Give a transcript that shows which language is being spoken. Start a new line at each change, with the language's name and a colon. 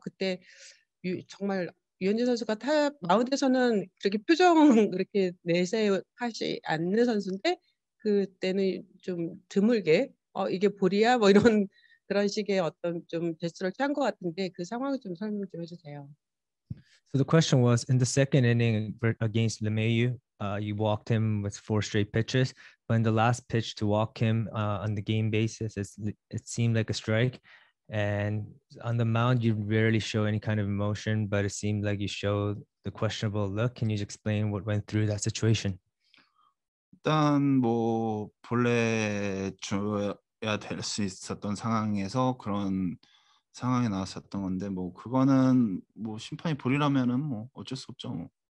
Korean: 그때 정말 유현진 선수가 마운드에서는 그렇게 표정 그렇게 내세우지 않는 선수인데 그때는 좀 드물게 이게 볼이야 뭐 이런 그런 식의 어떤 좀 제스처를 취한 것 같은데 그 상황을 좀 설명 좀 해주세요.
English: So the question was, in the second inning against LeMayu, you walked him with four straight pitches, but in the last pitch to walk him on the game basis, it seemed like a strike. And on the mound, you rarely show any kind of emotion, but it seemed like you showed the questionable look. Can you just explain what went through that situation?
Korean: 일단 뭐 본래 줘야 될 수 있었던 상황에서 그런 상황이 나왔었던 건데 뭐 그거는 뭐 심판이 볼이라면은 뭐 어쩔 수 없죠. 뭐.